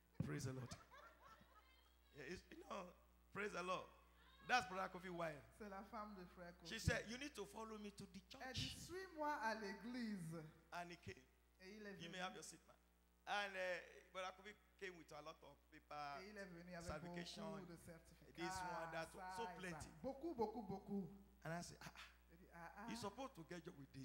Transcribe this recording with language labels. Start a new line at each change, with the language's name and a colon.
English: Praise the Lord." Yeah, you know, praise the Lord. That's Brother Kofi's wife.
French: C'est la femme de frère Kofi.
English: She said, "You need to follow me to the church."
French: Elle dit, "Suis-moi à l'église."
English: And he came.
French: Et il est venu.
English: You may have your seat, man. And Brother Kofi came with a lot of paper.
French: Et il est venu avec certification, beaucoup de certificats.
English: This one, that one. So plenty.
French: Beaucoup.
English: And I said, "Ah, you're supposed to get a job with this."